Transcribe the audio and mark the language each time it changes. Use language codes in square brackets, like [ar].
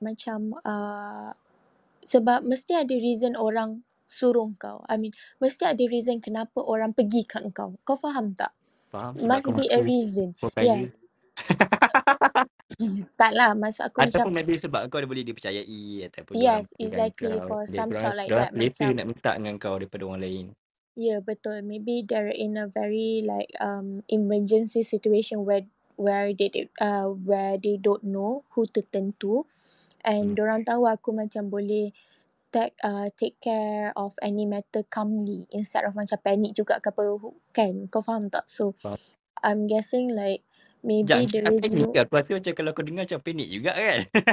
[ms] Macam sebab mesti ada reason orang suruh kau. [en] I mean, [ms] mesti ada reason kenapa orang pergi kat kau. Kau faham tak? Faham. [en] Must be a reason. Yes. [ms] Taklah, maksud aku ataupun macam, maybe sebab kau dia boleh dipercayai ataupun. [en] Yes, exactly, for some sort like that. [ms] Dia macam nak minta dengan kau daripada orang lain. Yeah, betul. [en] Maybe they're in a very like emergency situation where they don't know who to turn to, and [ms] diorang tahu aku macam boleh [en] take care of any matter calmly instead of [ms] macam panic juga ke apa, kan? Kau faham tak? [en] So I'm guessing like [ms] aku rasa macam kalau aku dengar macam panik juga kan.